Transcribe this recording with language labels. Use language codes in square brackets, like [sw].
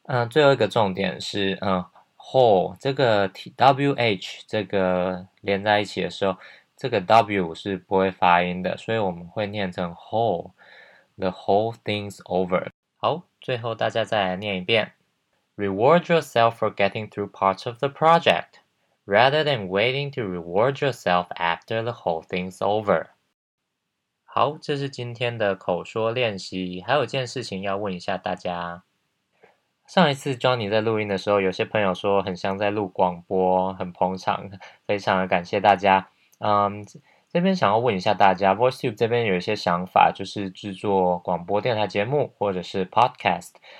[zh] 最后一个重点是whole 这个 wh 这个连在一起的时候，这个 w 是不会发音的，所以我们会念成 whole， [en] the whole thing's over。 [zh] 好，最后大家再来念一遍。 [en] Reward yourself for getting through parts of the project rather than waiting to reward yourself after the whole thing's over。 [zh] 好，这是今天的口说练习。还有件事情要问一下大家，上一次 Johnny 在录音的时候，有些朋友说很像在录广播，很捧场，非常的感谢大家。这边想要问一下大家，VoiceTube 这边有一些想法，就是制作广播电台节目或者是 Podcast。